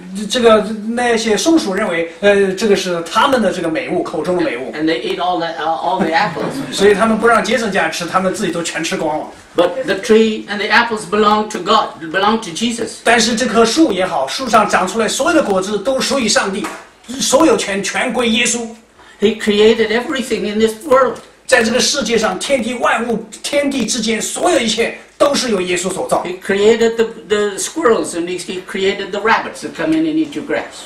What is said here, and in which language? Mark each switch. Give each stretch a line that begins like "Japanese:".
Chinese: 这个那些松鼠认为，这个是他们的这个美物，口中的美物。
English: And they eat all the apples.
Chinese: 所以他们不让杰森家吃，他们自己都全吃光了。
English: But the tree and the apples belong to God, belong to Jesus.
Chinese: 但是这棵树也好，树上长出来所有的果子都属于上帝，所有权全归耶稣。
English: He created everything in this world.
Chinese: 在这个世界上，天地万物，天地之间所有一切。都是由耶稣所造。
English: He created the squirrels and he created the rabbits that come in and eat your grass.